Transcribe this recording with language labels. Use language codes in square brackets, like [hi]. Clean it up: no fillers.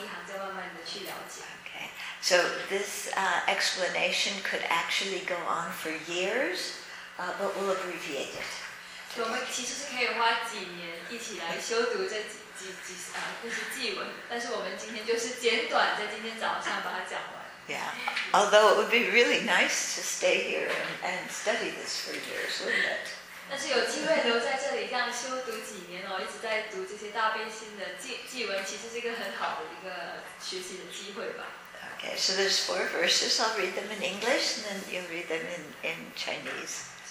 [en] Okay. So this explanation could actually go on for years, but we'll abbreviate it. [zh] 我们其实是可以花几年一起来修读这几啊这些记文，但是我们今天就是简短在今天早上把它讲完。 [en] Yeah, although it would be really nice to stay here and study this for years, wouldn't it? [zh] 但是有机会留在这里这样修读几年哦，一直在读这些大悲心的记文，其实是一个很好的一个学习的机会吧。 [en] Okay, so there's four verses. I'll read them in English, and then you'll read them in Chinese.